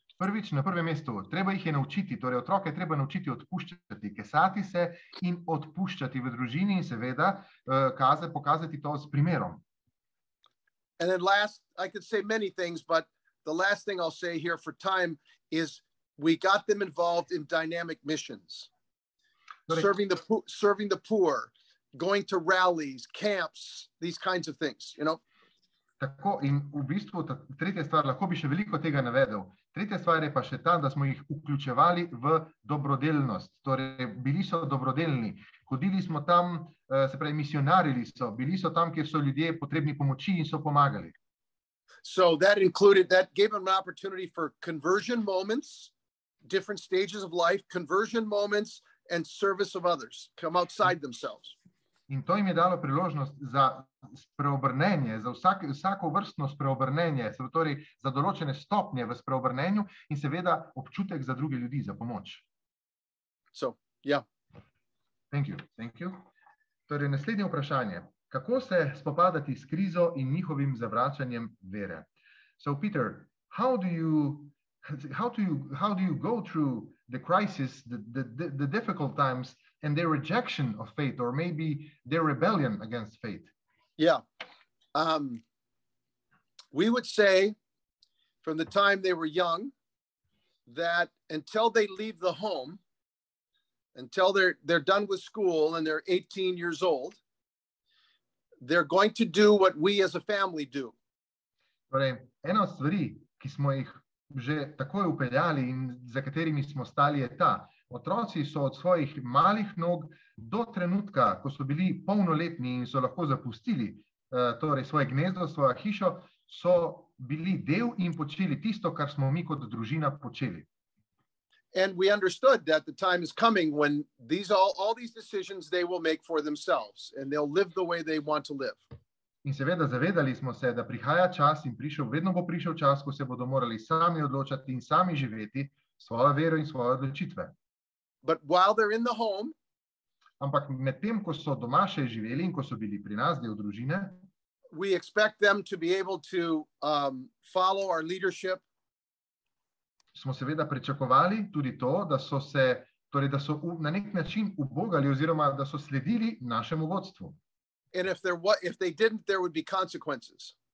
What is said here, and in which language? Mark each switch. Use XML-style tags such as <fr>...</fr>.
<sl>Prvič, na prvem mestu, treba jih je naučiti, torej otroke treba naučiti odpuščati, kesati se in odpuščati v družini in seveda pokazati to s primerom.</sl> <en>And then last, I could say many things, but the last thing I'll say here for time is we got them involved in dynamic missions. Torej, serving the poor, going to rallies, camps, these kinds of things, you know.</en> <sl>Tako in v bistvu tretja stvar, lahko bi še veliko tega navedel. Tretja stvar je pa še ta, da smo jih vključevali v dobrodelnost. Torej, bili so dobrodelni. Hodili smo tam, se pravi, misionarili so. Bili so tam, kjer so ljudje potrebni pomoči in so pomagali.</sl> <en>So that included, that gave them an opportunity for conversion moments, different stages of life, conversion moments and service of others, come outside themselves.</en> <sl>In to jim je dalo priložnost za spreobrnenje, za vsako vrstno spreobrnenje, torej za določene stopnje v spreobrnenju in seveda občutek za druge ljudi, za pomoč.</sl> <en>So, yeah. Thank you.</en> <sl>Torej, naslednje vprašanje. Kako se spopadati s krizo in njihovim zavračanjem vere?</sl> <en>So, Peter, how do you go through the crisis, the difficult times, and their rejection of faith, or maybe their rebellion against faith? Yeah. We would say, from the time they were young, that until they leave the home, until they're done with school and they're 18 years old, they're going to do what we as a family do.</en> <sl>Torej, ena od stvari, ki smo jih že takoj upeljali in za katerimi smo stali, je ta. Otroci so od svojih malih nog do trenutka, ko so bili polnoletni in so lahko zapustili torej svoje gnezdo, svojo hišo, so bili del in počeli tisto, kar smo mi kot družina počeli.</sl> <en>And we understood that the time is coming when these all these decisions they will make for themselves and they'll live the way they want to live.</en> <sl>In seveda zavedali smo se, da prihaja čas in prišel, vedno bo prišel čas, ko se bodo morali sami odločati in sami živeti svojo vero in svoje odločitve.</sl> <en>But while they're in the home,</en> <sl>ampak med tem, ko so doma še živeli in ko so bili pri nas del družine,</sl> <en>we expect them to be able to follow our leadership.</en> <sl>Smo seveda pričakovali tudi to, da so se, torej da so na nek način ubogali oziroma da so sledili našemu vodstvu.</sl> <en>And if they didn't, there would be consequences.</en>